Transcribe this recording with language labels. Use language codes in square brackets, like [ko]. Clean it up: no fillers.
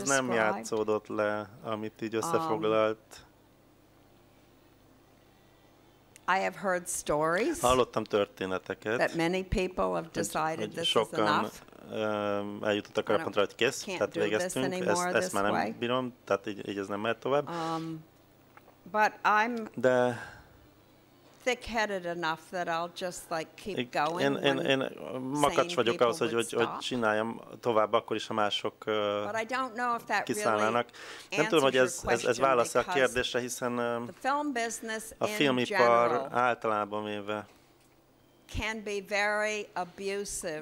[hu] ez nem játszódott le, amit így összefoglalt. [en] I have heard stories. [hu] Hallottam történeteket. [en] That many people have decided this is enough. [hu] Sokan eljutottak arra pontra, hogy kész, tehát végeztünk, ezt már nem bírom, tehát így ez nem mehet tovább. [en] But I'm de thick-headed enough that I'll just like keep going. [hu] Én makacs vagyok ahhoz, hogy csináljam tovább akkor is, ha mások kiszállnának. Nem tudom, hogy ez válasz-e a kérdésre, hiszen a filmipar általában véve [en] can be very abusive.